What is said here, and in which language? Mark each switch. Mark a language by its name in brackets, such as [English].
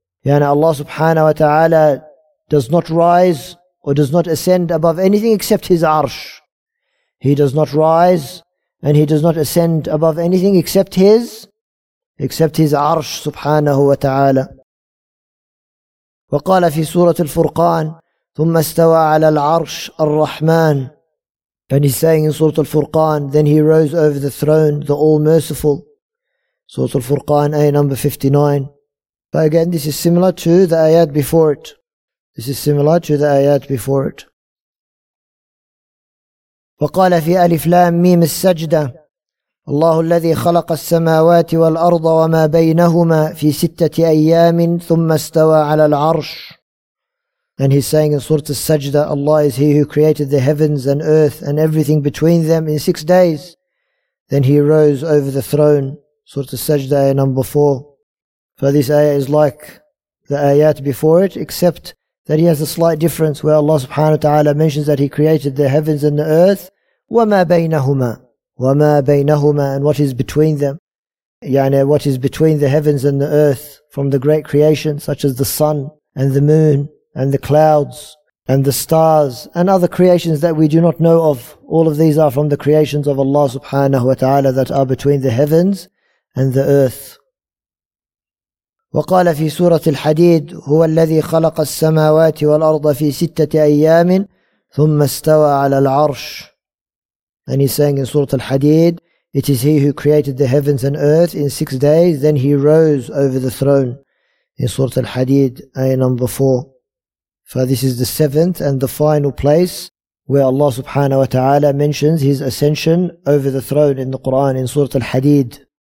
[English] Yani Allah subhanahu wa ta'ala does not rise or does not ascend above anything except his arsh. He does not rise and he does not ascend above anything except his arsh subhanahu wa ta'ala. [Arabic] وقال في سورة الفرقان ثم استوى على العرش الرحمن. [English] And he's saying in Surah Al-Furqan, then he rose over the throne, the All-Merciful. Surah Al-Furqan, ayah number 59. But again, this is similar to the ayat before it. This is similar to the ayat before it. [Arabic] وقال في ألف لام ميم السجدة الله الذي خلق السماوات والأرض وما بينهما في ستة أيام ثم استوى على العرش. [English] And he's saying in Surah Al-Sajda, Allah is he who created the heavens and earth and everything between them in 6 days. Then he rose over the throne. Surah Al-Sajda, ayah number 4. For this ayah is like the ayat before it, except that he has a slight difference where Allah subhanahu wa ta'ala mentions that he created the heavens and the earth. [Arabic] وَمَا بَيْنَهُمَا وَمَا بَيْنَهُمَا, [English] and what is between them. يعني what is between the heavens and the earth from the great creation, such as the sun and the moon and the clouds and the stars and other creations that we do not know of. All of these are from the creations of Allah subhanahu wa ta'ala that are between the heavens and the earth. [Arabic] وقال في سورة الحديد هو الذي خلق السماوات والأرض في ستة أيام ثم استوى على العرش. [English] And he's saying in Surah Al-Hadid, it is he who created the heavens and earth in 6 days, then he rose over the throne. In Surah Al-Hadid, ayah number 4. For this is the seventh and the final place where Allah subhanahu wa ta'ala mentions his ascension over the throne in the Quran, in Surah Al-Hadid.